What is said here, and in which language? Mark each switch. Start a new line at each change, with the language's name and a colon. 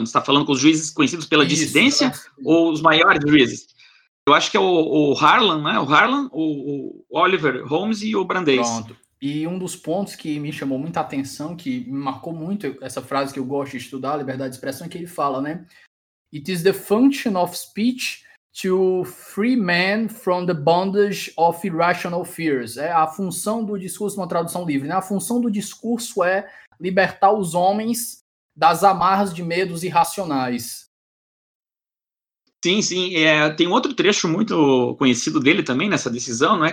Portuguese: Você está falando com os juízes conhecidos pela dissidência, ou os maiores juízes? Eu acho que é o Harlan, né? O Harlan, o Oliver Holmes e o Brandeis. Pronto. E um dos pontos que me chamou muita atenção, que me marcou muito, essa frase que eu gosto de estudar, liberdade de expressão, é que ele fala, né?
English: It is the function of speech to free man from the bondage of irrational fears.
Portuguese: É a função do discurso, uma tradução livre, né? A função do discurso é libertar os homens das amarras de medos irracionais. Sim, sim. É, tem outro trecho muito conhecido dele também nessa decisão, né?